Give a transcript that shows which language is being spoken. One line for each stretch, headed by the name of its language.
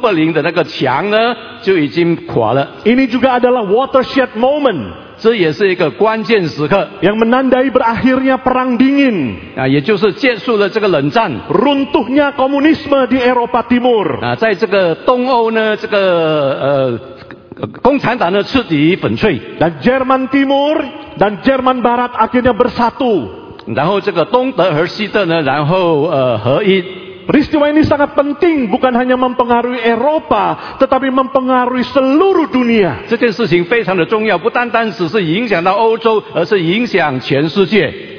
Chinese: 然后200年以后呢，这个东柏林的那个墙呢就已经垮了。
Indonesian: Ini juga adalah watershed moment.
Chinese: 这也是一个关键时刻
Indonesian: ，yang menandai berakhirnya perang dingin，
Chinese: 啊，也就是结束了这个冷战
Indonesian: ，runtuhnya komunisme di Eropa Timur，
Chinese: 啊，在这个东欧呢，这个共产党呢彻底粉碎
Indonesian: ，dan Jerman Timur dan Jerman Barat akhirnya bersatu，
Chinese: 然后这个东德和西德呢，然后合一。
Indonesian: Peristiwa ini sangat penting bukan hanya mempengaruhi Eropa tetapi mempengaruhi seluruh dunia.
Chinese: 这件事情非常的重要，不单单只是影响到欧洲，而是影响全世界。